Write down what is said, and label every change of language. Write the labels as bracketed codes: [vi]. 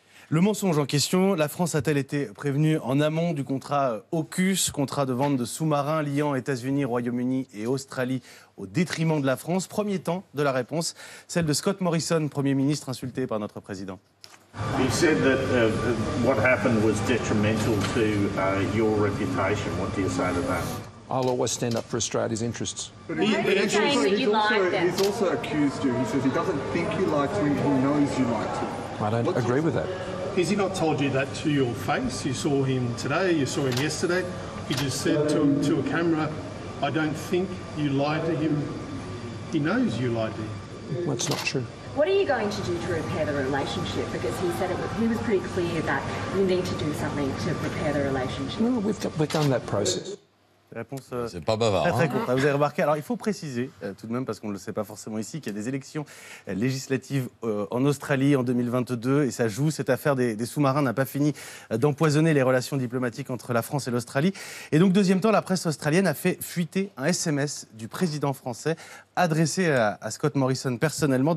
[fr] Le mensonge en question, la France a-t-elle été prévenue en amont du contrat AUKUS, contrat de vente de sous-marins liant États-Unis, Royaume-Uni et Australie au détriment de la France? Premier temps de la réponse, celle de Scott Morrison, Premier ministre insulté par notre président. [en] He said that what happened was detrimental to your reputation. What do you say to that? I'll always stand up for Australia's interests. He's also accused you. He says he doesn't think you liked him, he knows you liked him. I don't agree with that. Has he not told you that to your face? You saw him today, you saw him yesterday. He just said to a camera, I don't think you lied to him. He knows you lied to him. That's not true. What are you going to do to repair the relationship? Because he was pretty clear that you need to do something to repair the relationship. Well, we've done that process. [fr] Réponse, c'est pas bavard. Très courte. Vous avez remarqué, alors il faut préciser tout de même, parce qu'on ne le sait pas forcément ici, qu'il y a des élections législatives en Australie en 2022 et ça joue. Cette affaire des sous-marins n'a pas fini d'empoisonner les relations diplomatiques entre la France et l'Australie. Et donc, deuxième temps, la presse australienne a fait fuiter un SMS du président français adressé à Scott Morrison personnellement.